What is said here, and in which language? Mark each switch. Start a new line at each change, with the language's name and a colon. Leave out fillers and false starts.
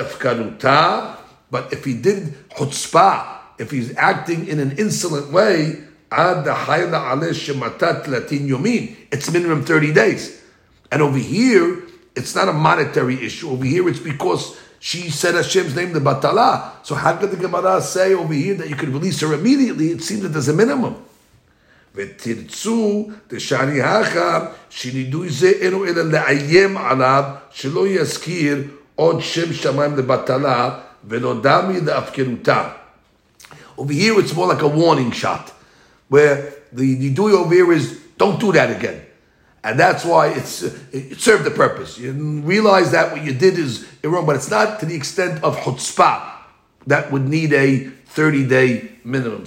English: But if he did chutzpah, if he's acting in an insolent way, it's minimum 30 days. And over here, it's not a monetary issue. Over here, it's because she said Hashem's name, the Batala. So how could the Gemara say over here that you could release her immediately? It seems that there's a minimum.
Hebrew: ותרצו דשאני הכה שנידוי זה אינו אלא לאיים עליו שלא יזכיר עוד שם שמיים לבטלה ולא דמי לאפקרותה.
English: Over here it's more like a warning shot, where the nidui over here is, don't do that again. And that's why it served the purpose. You realize that what you did is wrong, but it's not to the extent of chutzpah that would need a 30-day minimum.